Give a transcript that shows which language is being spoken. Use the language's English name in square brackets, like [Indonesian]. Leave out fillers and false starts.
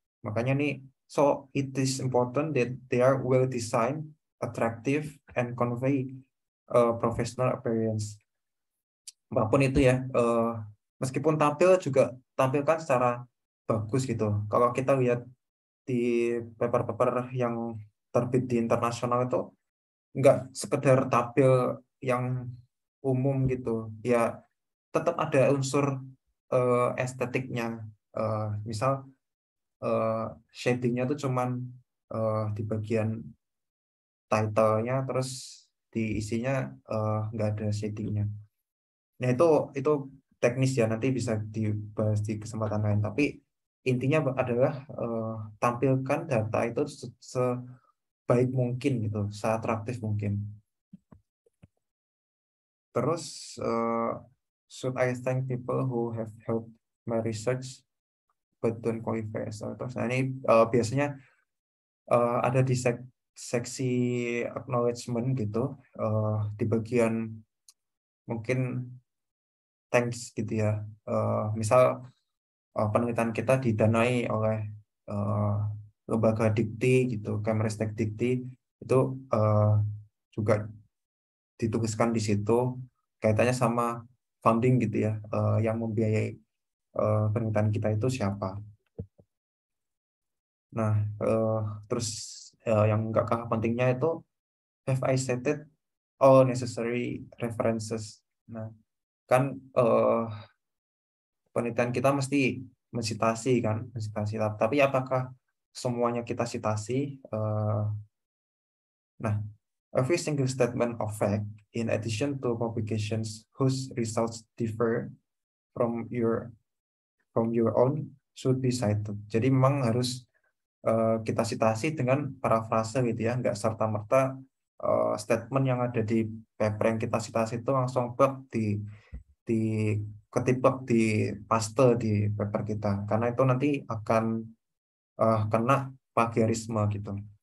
[English] Makanya nih, so it is important that they are well designed, attractive, and convey professional appearance. [Indonesian] Apapun itu ya, meskipun tampil juga tampilkan secara bagus gitu. Kalau kita lihat di paper-paper yang terbit di internasional itu, nggak sekedar tampil yang umum gitu ya, tetap ada unsur estetiknya, misal shadingnya tuh cuman di bagian titlenya, terus di isinya nggak ada shadingnya. Nah itu teknis ya, nanti bisa dibahas di kesempatan lain, tapi intinya adalah tampilkan data itu sebaik mungkin gitu, seatraktif mungkin. [English] Terus, should I thank people who have helped my research but don't qualify as authors? [Indonesian] Nah, ini biasanya ada di seksi acknowledgement gitu, di bagian mungkin thanks gitu ya. Misal penelitian kita didanai oleh lembaga dikti gitu, Kemenristek Dikti, itu juga dituliskan di situ kaitannya sama funding gitu ya, yang membiayai penelitian kita itu siapa. Nah, terus yang nggak kalah pentingnya itu, have I stated all necessary references? Nah, kan penelitian kita mesti mensitasi kan, mensitasi. Tapi apakah semuanya kita sitasi? [English] Nah, every single statement of fact in addition to publications whose results differ from your own should be cited. [Indonesian] Jadi memang harus kita sitasi dengan parafrase gitu ya, nggak serta-merta statement yang ada di paper yang kita sitasi itu langsung plak di ketipok di paste di paper kita, karena itu nanti akan kena plagiarisme gitu.